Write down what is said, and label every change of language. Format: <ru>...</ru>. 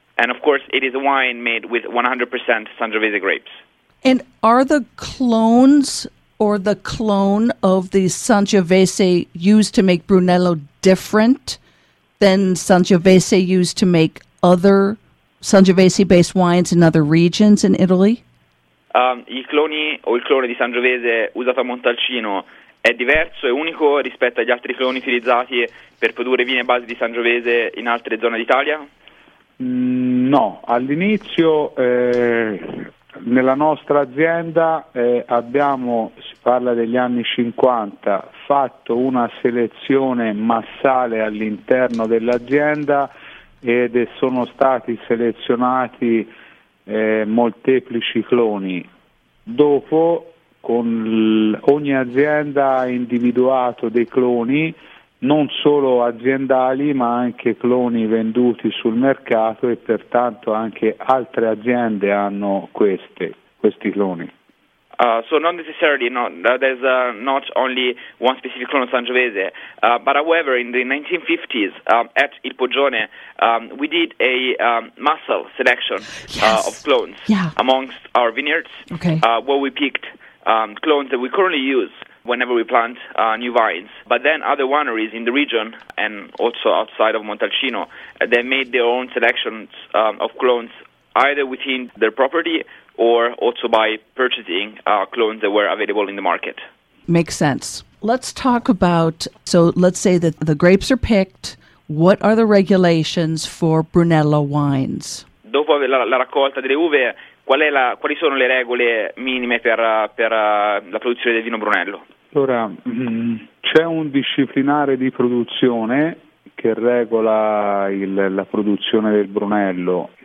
<en>And of course, it is a wine made with 100% Sangiovese grapes. And are the clones or the clone of the Sangiovese used to make Brunello different than Sangiovese used to make other Sangiovese-based wines in other regions in Italy?</en> <it>I cloni o il clone di Sangiovese usato a Montalcino è diverso e unico rispetto agli altri cloni utilizzati per produrre vini a base di Sangiovese in altre zone d'Italia? No, all'inizio nella nostra azienda abbiamo, si parla degli anni 50, fatto una selezione massale all'interno dell'azienda ed sono stati selezionati molteplici cloni. Dopo, con ogni azienda ha individuato dei cloni, non solo aziendali, ma anche cloni venduti sul mercato, e pertanto anche altre aziende hanno questi cloni.</it> <en>So not necessarily, there's not only one specific clone of Sangiovese, but however in the 1950s at Il Poggione we did a muscle selection. Yes. Of clones. Yeah. Amongst our vineyards. Okay. Where we picked clones that we currently use whenever we plant new vines, but then other wineries in the region and also outside of Montalcino, they made their own selections of clones either within their property or also by purchasing clones that were available in the market. Makes sense. Let's talk about, so let's say that the grapes are picked. What are the regulations for Brunello wines?</en> <it>Dopo la raccolta delle uve, quali sono le regole minime per la produzione del vino Brunello? Allora, c'è un disciplinare di produzione che regola la produzione del Brunello.</it>